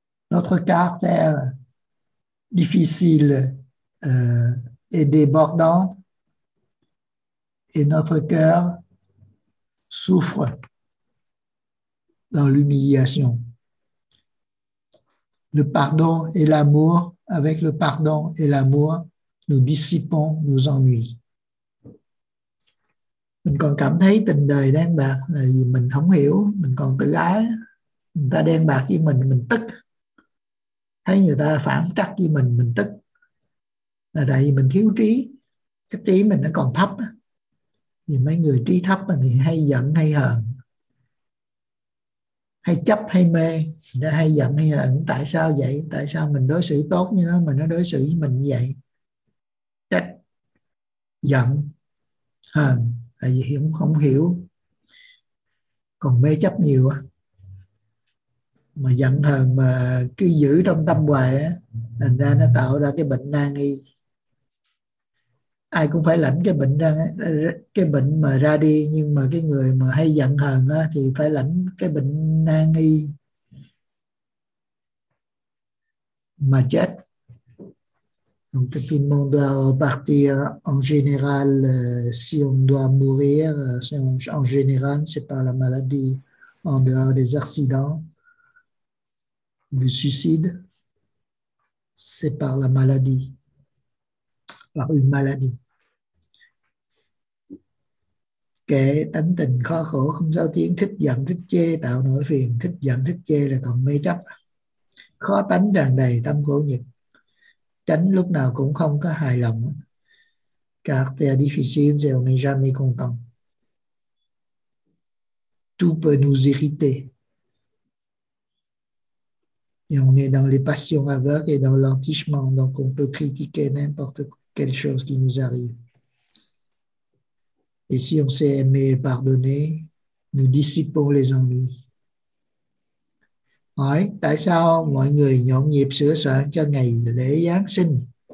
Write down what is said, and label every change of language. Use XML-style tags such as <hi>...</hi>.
<fr>Notre caractère difficile est débordant et notre cœur souffre dans l'humiliation. Le pardon et l'amour, avec le pardon et l'amour, nous dissipons nos ennuis.</fr> <vi>Mình còn cảm thấy tình đời đen bạc là vì mình không hiểu, mình còn tự ái. Người ta đen bạc với mình tức. Thấy người ta phản trắc với mình tức. Là tại vì mình thiếu trí. Cái trí mình nó còn thấp. Vì mấy người trí thấp mà thì hay giận hay hờn. Hay chấp hay mê, nó hay giận hay hờn. Tại sao vậy? Tại sao mình đối xử tốt như nó mà nó đối xử với mình như vậy? Trách, giận, hờn, tại vì không hiểu. Còn mê chấp nhiều á. Mà giận hờn mà cứ giữ trong tâm hoài á, thành ra nó tạo ra cái bệnh nan y. Ai cũng phải lãnh cái bệnh ra, cái bệnh mà ra đi, nhưng mà cái người mà hay giận hờn á thì phải lãnh cái bệnh nan y mà chết.</vi> <fr>Donc tout le monde doit repartir. En général, si on doit mourir, en général, c'est par la maladie, en dehors des accidents, du suicide, c'est par la maladie, par une maladie.</fr> <vi>Kể tánh tình khó khổ không sao tiếng, thích giận thích chê tạo nỗi phiền, thích giận thích chê là còn mê chấp. Khó tánh tràn đầy tâm khổ nhục, tránh lúc nào cũng không có hài lòng.</vi> <fr>Caractère difficile, c'est on n'est jamais content. Tout peut nous irriter. Et on est dans les passions aveugles et dans l'entichement, donc on peut critiquer n'importe quelle chose qui nous arrive. Et si on sait aimer et pardonner, nous dissipons les ennuis.</fr> <vi>Hỏi, tại sao mọi người nhộn nhịp sửa soạn cho ngày lễ Giáng sinh?</vi>